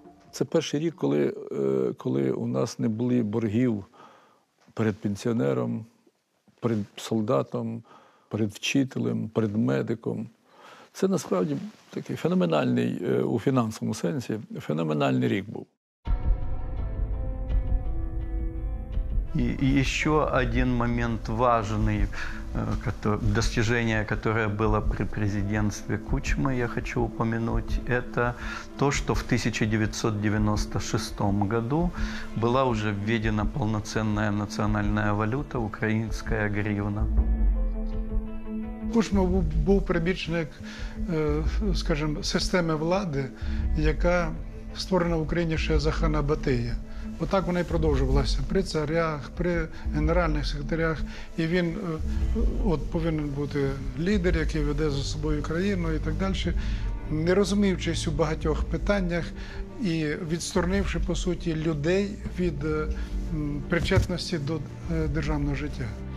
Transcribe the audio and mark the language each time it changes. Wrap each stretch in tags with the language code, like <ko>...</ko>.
<uk>Це перший рік, коли у нас не було боргів перед пенсіонером, перед солдатом, перед вчителем, перед медиком. Це насправді такий феноменальний у фінансовому сенсі, феноменальний рік був. І ще один момент важливий,</uk> <ru>достижение, которое было при президентстве Кучмы, я хочу упомянуть, это то, что в 1996 году была уже введена полноценная национальная валюта, украинская гривна.</ru> <uk>Кучма був прибічник, скажімо, системи влади, яка створена в Україні ще за хана Батия. Отак вона і продовжувалася при царях, при генеральних секретарях. І він от повинен бути лідер, який веде за собою країну і так далі, не розуміючись у багатьох питаннях і відсторонивши, по суті, людей від причетності до державного життя.</uk>